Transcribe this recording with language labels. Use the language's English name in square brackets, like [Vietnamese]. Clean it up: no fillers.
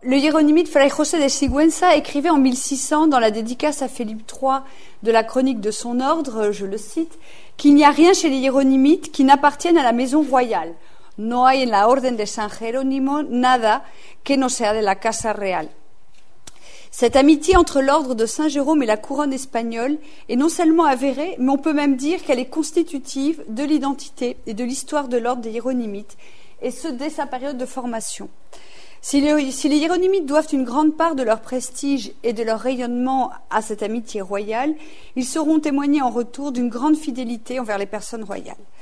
[French] Le hiéronymite Fray José de Sigüenza écrivait en 1600 dans la dédicace à Philippe III de la chronique de son ordre, je le cite, qu'il n'y a rien chez les hiéronymites qui n'appartienne à la maison royale. [Spanish] No hay en la orden de San Jerónimo nada que no sea de la casa real. [French] Cette amitié entre l'ordre de Saint-Jérôme et la couronne espagnole est non seulement avérée, mais on peut même dire qu'elle est constitutive de l'identité et de l'histoire de l'ordre des hiéronymites, et ce dès sa période de formation. Si les hiéronymites doivent une grande part de leur prestige et de leur rayonnement à cette amitié royale, ils sauront témoigner en retour d'une grande fidélité envers les personnes royales.